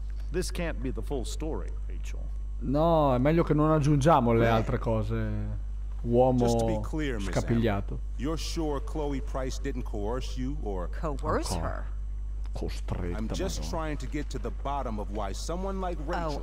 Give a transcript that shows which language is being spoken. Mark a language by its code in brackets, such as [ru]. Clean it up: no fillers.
[en] This can't be the full story, Rachel. [it] No, è meglio che non aggiungiamo le altre cose. Uomo [en] just to be clear, [it] scapigliato. [en] Amber, you're sure Chloe Price didn't coerce you or coerce her? [it] Costretta. [en] I'm just trying to get to the bottom of why someone like Rachel.